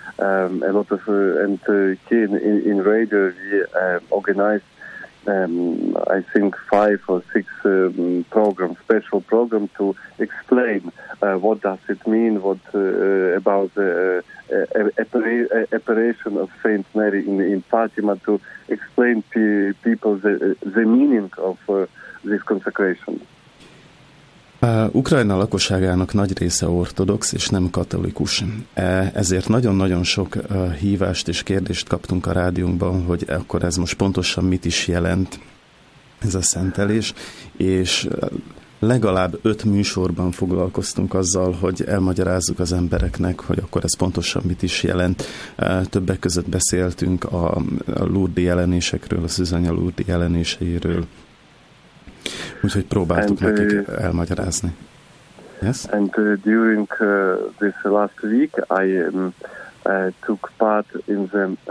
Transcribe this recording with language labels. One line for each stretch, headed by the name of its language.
English: In radio we organized, I think, 5 or 6 programs, special program to explain what does it mean, what about the apparition of Saint Mary in Fatima, to explain to people the meaning of this consecration.
Hungarian: Ukrajna lakosságának nagy része ortodox és nem katolikus. Ezért nagyon-nagyon sok hívást és kérdést kaptunk a rádiónkban, hogy akkor ez most pontosan mit is jelent. ez a szentelés, és legalább 5 műsorban foglalkoztunk azzal, hogy elmagyarázzuk az embereknek, hogy akkor ez pontosan mit is jelent. Többek között beszéltünk a Lurdi jelenésekről, a Szüzanya Lurdi jelenéseiről. Úgyhogy próbáltuk nekik elmagyarázni.
English: Yes? And during this last week, I took part in the,